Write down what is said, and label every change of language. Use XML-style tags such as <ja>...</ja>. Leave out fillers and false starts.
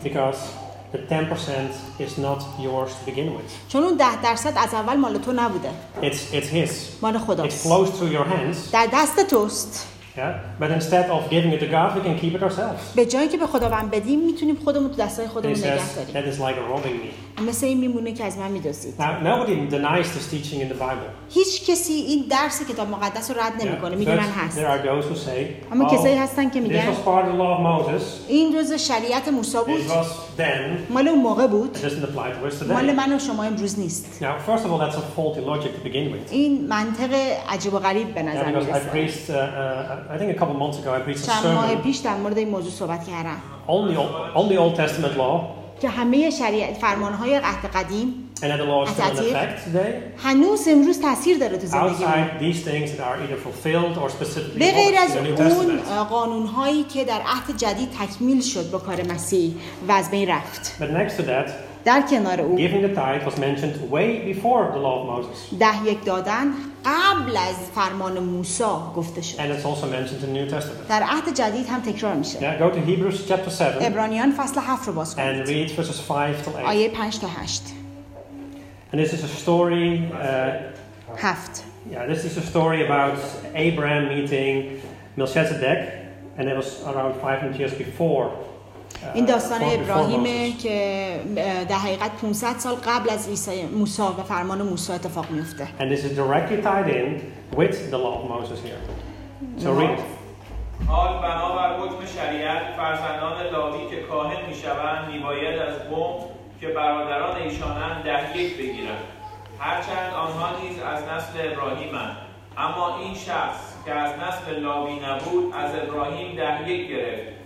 <en>Because the 10% is not yours to begin with.</en> <fa>چون اون 10% از اول مال تو نبوده.</fa> <en>It's his.</en> <fa>مال خداست.</fa> <en>It flows through your hands.</en> <fa>در دست توست.</fa> <en>Yeah. But instead of giving it to God, we can keep it ourselves.</en> <fa>به جایی که به خداوند بدیم، میتونیم خودمون تو دستای خودمون نگه داریم.</fa> <en>That is like robbing me.</en> <fa>مثل این میمونه که از من میدزدید.</fa> <en>Nobody denies this teaching in the Bible.</en> <fa>هیچ کسی این درس کتاب مقدس رو رد نمیکنه. میدونن هست.</fa> <en>There are those who say.</en> <fa>اما کسایی هستن که میگن.</fa> <en>This was part of the law of Moses.</en> <fa>این جزء شریعت موسی بود.</fa> <en>It was then.</en> <fa>مال اون موقع بود.</fa> <en>It doesn't apply to us today.</en> <fa>مال من و شما امروز نیست.</fa> <en>Now, first of all, that's a faulty logic to begin with.</en> <fa>این منطق عجیب و غریب به نظر میاد.</fa> <en>I think a couple months ago I preached a sermon.</en> <fa>پیش در مورد این موضوع صحبت کردم.</fa> <en>Only Old Testament law.</en> <fa>که همه شریعت فرمانهای عهد قدیم.</fa> <en>And the law is still in effect today.</en> <fa>هنوز امروز تأثیر داره تو زندگی.</fa> <en>Outside these things that are either fulfilled or specifically ordered in the New Testament.</en> <fa>اون قانونهایی که در عهد جدید تکمیل شد با کار مسیح و از بین رفت.</fa> <en>But next to that.</en> <fa>در کنار او.</fa> <en>Giving the tithe was mentioned way before the law of Moses.</en> <fa>ده یک دادن قبل از فرمان موسی گفته شد.</fa> <en>And it's also mentioned in the New Testament.</en> <fa>در عهد جدید هم تکرار میشه.</fa> <en>Now go to Hebrews chapter 7.</en> <fa>عبرانیان فصل 7 رو باز کنید.</fa> <en>And read verses 5 to 8.</en> <fa>آیه 5 تا 8.</fa> <en>And this is a story.</en> <fa>هفت.</fa> <en>Yeah, this is a story about Abraham meeting Melchizedek, and it was around 500 years before.</en> <fa>این داستان ابراهیمه که در حقیقت 500 سال قبل از عیسی موسی و فرمان موسی اتفاق میفته.</fa> <en>And this is directly tied in with the law of Moses here. So read.</en> <fa>حال بنابر حکم شریعت فرزندان لاوی که کاهن میشوند میباید از قوم که برادران ایشانن ده یک بگیرند. هرچند آنها نیز از نسل ابراهیمند. اما این شخص که از نسل لاوی نبود از ابراهیم ده یک گرفت.</fa>